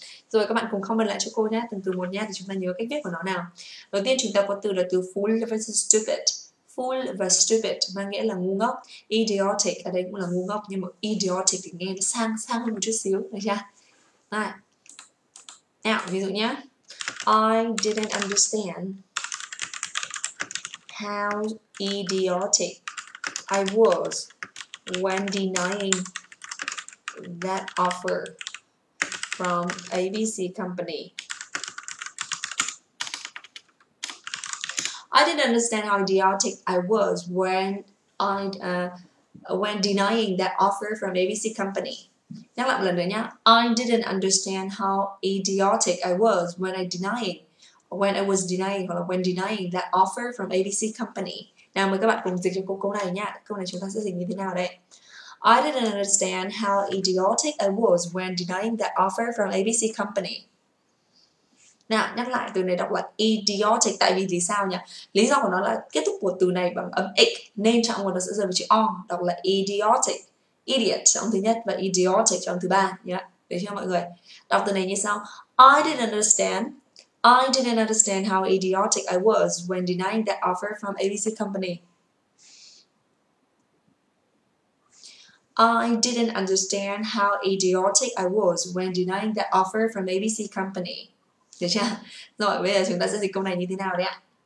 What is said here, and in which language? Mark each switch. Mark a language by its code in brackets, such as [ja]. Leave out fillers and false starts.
[vi] Rồi các bạn cùng comment lại cho cô nhé, từng từ một nhé, thì chúng ta nhớ cách viết của nó nào. Đầu tiên chúng ta có từ là từ fool versus stupid. Fool và stupid mang nghĩa là ngu ngốc. Idiotic ở đây cũng là ngu ngốc, nhưng mà idiotic thì nghe nó sang hơn một chút xíu, được chưa? Rồi. Nào, ví dụ nhé. [en] I didn't understand how idiotic I was when denying that offer from ABC company. I didn't understand how idiotic I was when denying that offer from ABC company. [vi] Nhắc lại một lần nữa nhá. [en] I didn't understand how idiotic I was when denying that offer from ABC company. [vi] Nào mời các bạn cùng dịch cho cô câu này nhá. Câu này chúng ta sẽ dịch như thế nào đây? [en] I didn't understand how idiotic I was when denying that offer from ABC company. [vi] Nào, nhắc lại từ này đọc là idiotic. Tại vì sao nhỉ? Lý do của nó là kết thúc của từ này bằng âm ích. Nên trọng của nó sẽ rơi vào chữ O. Đọc là idiotic. Idiot trong thứ nhất và idiotic trong thứ ba. Yeah. Được chưa mọi người? Đọc từ này như sau. [en] I didn't understand. I didn't understand how idiotic I was when denying that offer from ABC Company. I didn't understand how idiotic I was when denying that offer from ABC Company. [vi] Được chưa? Rồi, bây giờ chúng ta sẽ dịch câu này như thế nào đấy ạ?